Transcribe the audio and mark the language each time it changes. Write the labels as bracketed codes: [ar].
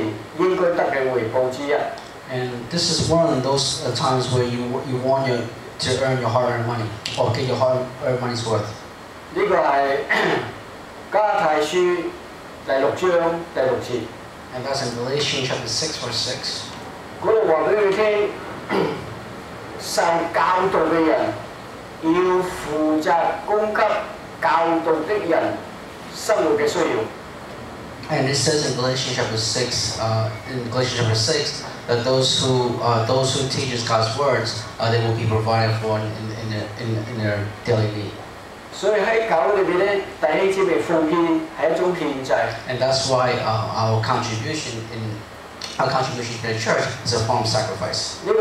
[zh] 這個是你主日奉獻金錢應該得的回報之一。 [en] And this is one of those times where you want to earn your hard-earned money or get your hard-earned money's worth. [zh] 這個是加泰書第六章第六節。 [en] And that's in Galatians chapter 6, verse 6. [zh] 那裡告訴你受教導的人要負責供給教導的人生活的需要。 [en] And it says in Galatians chapter 6, that those who teach God's words, they will be provided for in their daily need. [zh] 所以在教会里面呢，弟兄姊妹奉献是一种献祭。 [en] And that's why our contribution to the church is a form of sacrifice.